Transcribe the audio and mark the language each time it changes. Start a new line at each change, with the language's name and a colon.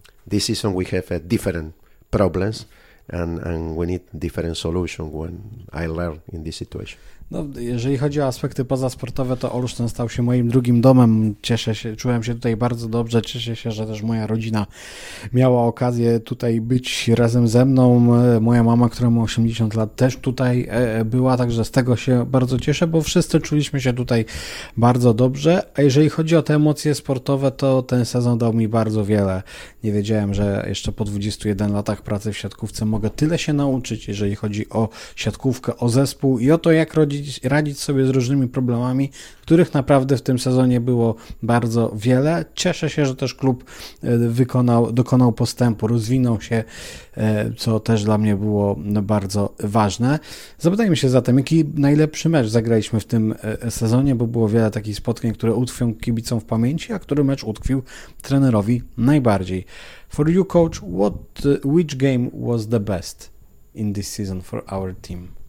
English: This season we have different problems, and we need different solution when I learn in this situation.
Polish: No, jeżeli chodzi o aspekty pozasportowe, to Olsztyn stał się moim drugim domem. Cieszę się, czułem się tutaj bardzo dobrze. Cieszę się, że też moja rodzina miała okazję tutaj być razem ze mną. Moja mama, która ma 80 lat, też tutaj była, także z tego się bardzo cieszę, bo wszyscy czuliśmy się tutaj bardzo dobrze. A jeżeli chodzi o te emocje sportowe, to ten sezon dał mi bardzo wiele. Nie wiedziałem, że jeszcze po 21 latach pracy w siatkówce mogę tyle się nauczyć, jeżeli chodzi o siatkówkę, o zespół i o to, jak radzić sobie z różnymi problemami, których naprawdę w tym sezonie było bardzo wiele. Cieszę się, że też klub dokonał postępu, rozwinął się, co też dla mnie było bardzo ważne. Zapytajmy się zatem, jaki najlepszy mecz zagraliśmy w tym sezonie, bo było wiele takich spotkań, które utkwią kibicom w pamięci, a który mecz utkwił trenerowi najbardziej.
English: For you, coach, which game was the best in this season for our team?